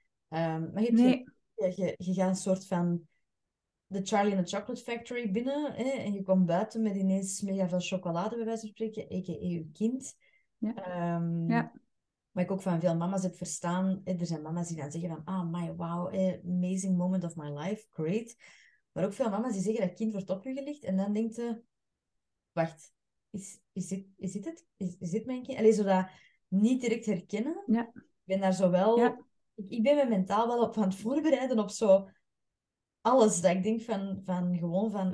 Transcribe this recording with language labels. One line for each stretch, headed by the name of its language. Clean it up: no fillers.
Dutch: Maar je hebt nee. je gaat een soort van de Charlie and the Chocolate Factory binnen. Hè, en je komt buiten met ineens mega veel chocolade, bij wijze van spreken. A.k.a. je kind. Ja. Maar ik ook van veel mama's heb verstaan. Hè, er zijn mama's die dan zeggen van...
English: Oh my, wow, amazing moment of my life. Great.
Dutch: Maar ook veel mama's die zeggen dat kind wordt op je gelicht. En dan denkt ze... Wacht... Is dit mijn kind? Allee, zo dat niet direct herkennen. Ja. Ik ben daar zo wel... Ja. Ik ben me mentaal wel op aan het voorbereiden op zo... Alles dat ik denk van gewoon van...